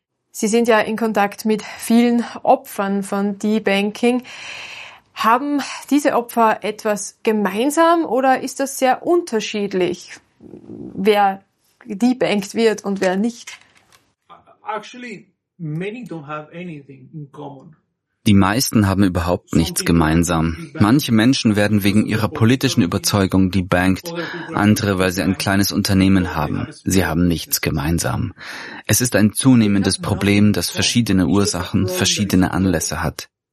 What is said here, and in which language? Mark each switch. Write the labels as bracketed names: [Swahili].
[German] Sie sind ja in Kontakt mit vielen Opfern von Debanking. Haben diese Opfer etwas gemeinsam oder ist das sehr unterschiedlich, wer debankt wird und wer nicht? [English] Actually, many don't have anything in common. [German] Die meisten haben überhaupt nichts gemeinsam. Manche Menschen werden wegen ihrer politischen Überzeugung debankt, andere, weil sie ein kleines Unternehmen haben. Sie haben nichts gemeinsam. Es ist ein zunehmendes Problem, das verschiedene Ursachen, verschiedene Anlässe hat.